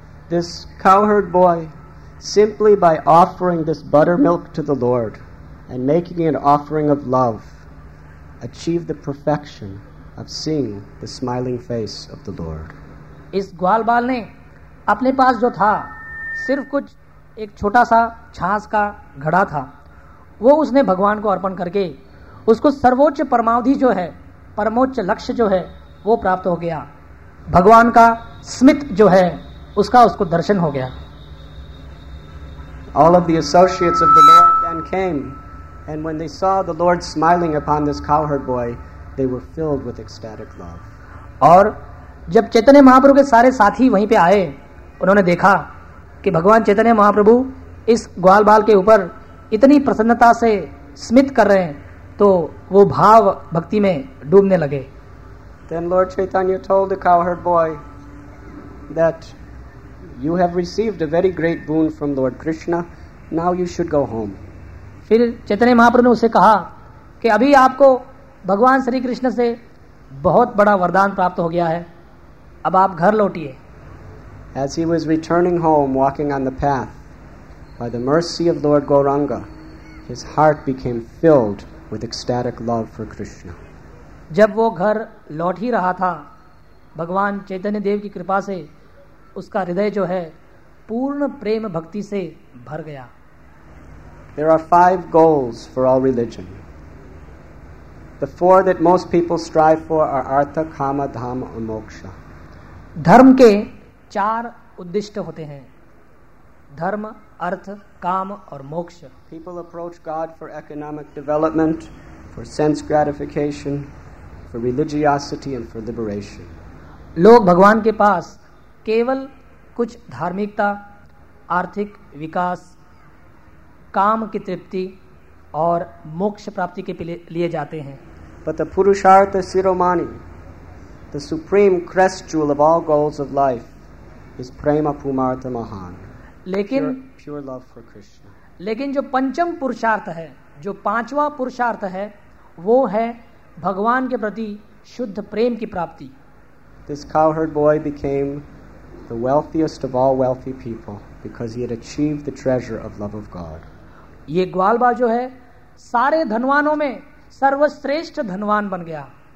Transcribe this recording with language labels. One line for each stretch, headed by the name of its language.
English: This cowherd boy, simply by offering this buttermilk to the Lord and making an offering of love, achieved the perfection of seeing the smiling face of the Lord.
Hindi: इस ग्वाल बाल ने अपने पास जो था सिर्फ कुछ एक छोटा सा छांस का घड़ा था वो उसने भगवान को अर्पण करके उसको सर्वोच्च परमावधि जो है परमोच्च लक्ष्य जो है वो प्राप्त हो गया भगवान का स्मित जो है उसका उसको दर्शन हो गया.
English: All of the associates of the Lord then came, and when they saw the Lord smiling upon this cowherd boy, they were filled with ecstatic love.
Hindi: और जब चैतन्य महाप्रभु के सारे साथी वहीं पे आए उन्होंने देखा कि भगवान चैतन्य महाप्रभु इस ग्वाल बाल के ऊपर इतनी प्रसन्नता से स्मित कर रहे हैं तो वो भाव भक्ति में डूबने लगे.
English: Then Lord Chaitanya told the cowherd boy that you have received a very great boon from Lord Krishna. Now you should go home.
Hindi: फिर चैतन्य महाप्रभु ने उसे कहा कि अभी आपको भगवान श्री कृष्ण से बहुत बड़ा वरदान प्राप्त हो गया है अब आप घर लौटिए.
English: As he was returning home, walking on the path, by the mercy of Lord Gauranga, his heart became filled with ecstatic love for Krishna.
Hindi: जब वो घर लौट ही रहा था भगवान चैतन्य देव की कृपा से उसका हृदय जो है पूर्ण प्रेम भक्ति से भर गया.
English: There are five goals for all religion. The four that most people strive for are artha, kama, dhamma, and moksha.
Hindi: धर्म के चार उद्दिष्ट होते हैं धर्म अर्थ काम और मोक्ष.
English: People approach God for economic development, for sense gratification, for religiosity and for liberation.
Hindi: लोग भगवान के पास केवल कुछ धार्मिकता आर्थिक विकास काम की तृप्ति और मोक्ष प्राप्ति के लिए जाते हैं.
English: But the purushartha siromani, the supreme crest jewel of all goals of life, is
Sanskrit: prema pumartha mahan.
Hindi: लेकिन
English: pure love for Krishna.
Hindi: लेकिन जो पंचम पुरुषार्थ है जो पांचवा पुरुषार्थ है वो है भगवान के प्रति शुद्ध प्रेम की प्राप्ति.
English: This cowherd boy became the wealthiest of all wealthy people because he had achieved the treasure of love of God.
Hindi: ये ग्वाल बाल जो है सारे धनवानों में सर्वश्रेष्ठ धनवान बन गया.